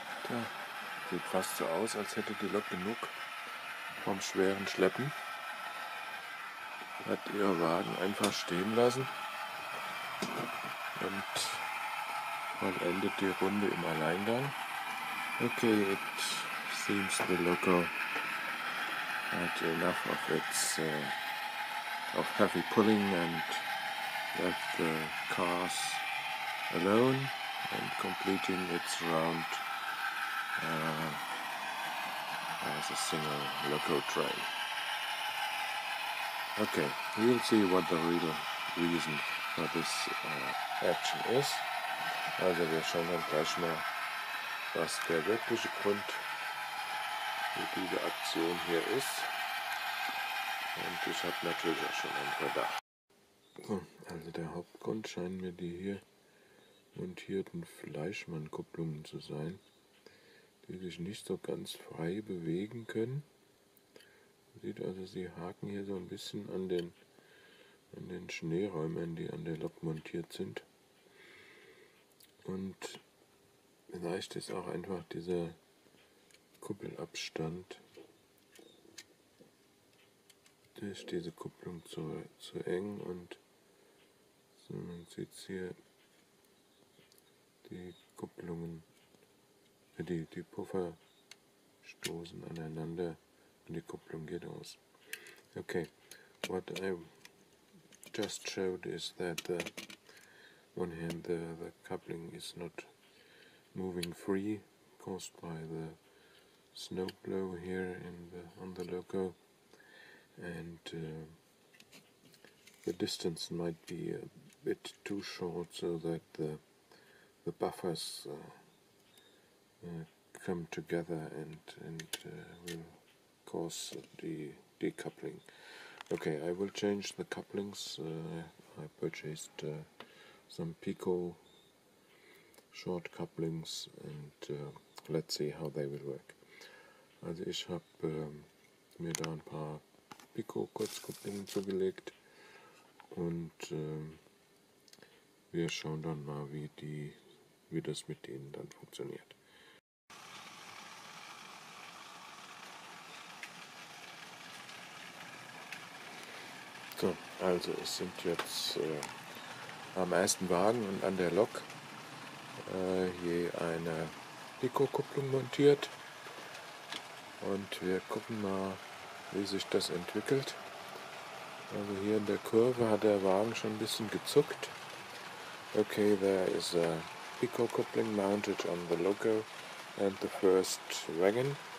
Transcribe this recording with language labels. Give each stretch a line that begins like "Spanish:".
German: Ja, sieht fast so aus, als hätte die Lok genug vom schweren Schleppen. Hat ihr Wagen einfach stehen lassen und man endet die Runde im Alleingang.
English: Okay, it seems the loco had enough of its of heavy pulling and left the cars alone and completing its round as a single loco train. Okay, we'll see what the real reason for this action is.
German: Also wir schauen dann gleich mal, was der wirkliche Grund für diese Aktion hier ist. Und ich habe natürlich auch schon einen Verdacht. Also der Hauptgrund scheinen mir die hier montierten Fleischmann-Kupplungen zu sein, die sich nicht so ganz frei bewegen können. Man sieht also, sie haken hier so ein bisschen an den Schneeräumen, die an der Lok montiert sind. Und vielleicht ist auch einfach dieser Kuppelabstand durch diese Kupplung zu eng. Und so, man sieht hier die Kupplungen. Die Puffer stoßen aneinander und die Kupplung geht aus.
English: Okay, what I just showed is that the one hand the coupling is not moving free, caused by the snow blow here on the loco, and the distance might be a bit too short so that the buffers come together and will cause the decoupling. Okay, I will change the couplings. I purchased some Pico short couplings, and let's see how they will work.
German: Also ich habe mir da ein paar Pico Kurzkupplungen zugelegt und wir schauen dann mal, wie das mit denen dann funktioniert. So, also es sind jetzt am ersten Wagen und an der Lok je eine Pico-Kupplung montiert und wir gucken mal, wie sich das entwickelt. Also hier in der Kurve hat der Wagen schon ein bisschen gezuckt.
English: Okay, there is a Pico coupling mounted on the logo and the first wagon.